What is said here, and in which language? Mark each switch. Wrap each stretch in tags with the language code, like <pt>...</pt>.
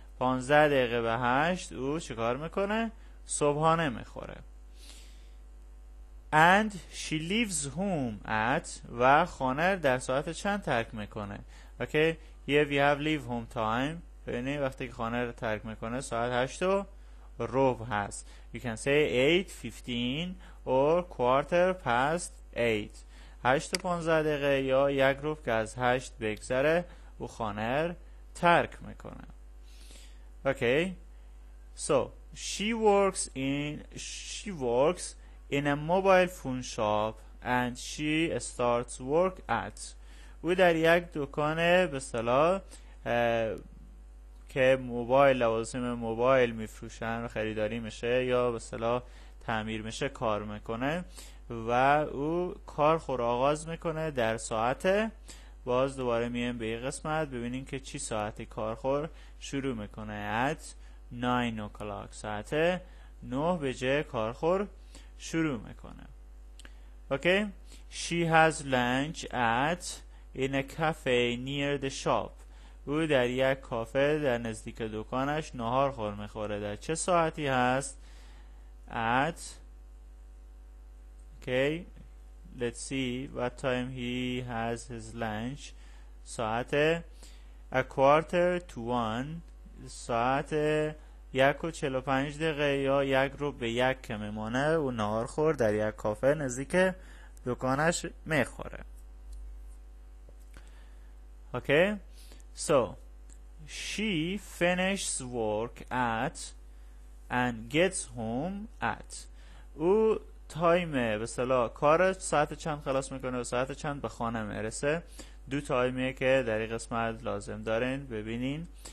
<fa>15 دقیقه به 8 او چیکار میکنه؟ صبحانه میخوره.</fa> <en>And she leaves home at</en> <fa>و خانه در ساعت چند ترک میکنه؟</fa> <en>Okay? Here we have leave home time.</en> <fa>ببینید وقتی که خانه رو ترک میکنه ساعت 8:15 هست.</fa> <en>You can say 8:15 or quarter past 8.</en> <fa>8:15 دقیقه یا یک ربع که از 8 بگذره او خانه رو ترک میکنه.</fa> <en>Okay? So she works in a mobile phone shop and she starts work at.</en> <fa>او در یک دکان به اصطلاح که موبایل لوازم موبایل میفروشن و خریداری میشه یا به اصطلاح تعمیر میشه کار میکنه و او کار خود آغاز میکنه در ساعت. باز دوباره میایم به این قسمت ببینیم که چی ساعت کار خود شروع میکنه.</fa> <en>At 9 o'clock.</en> <fa>ساعت 9 بجه کار خود شروع میکنه.</fa> <en>Okay, she has lunch at in a cafe near the shop.</en> <fa>او در یک کافه در نزدیک دکانش نهار خور میخوره. در چه ساعتی هست؟</fa> <en>At okay, let's see what time he has his lunch. ساعت a quarter to one.</en> <fa>ساعت 1:45 دقیقه یا 1:45 که میمانه او نهار خور در یک کافه نزدیک دکانش میخوره.</fa> <en>Okay, so she finishes work at and gets home at.</en> <fa>او تایم به اصطلاح کار ساعت چند خلاص میکنه و ساعت چند به خانه میرسه. دو تایمیه که در این قسمت لازم دارین ببینین.</fa>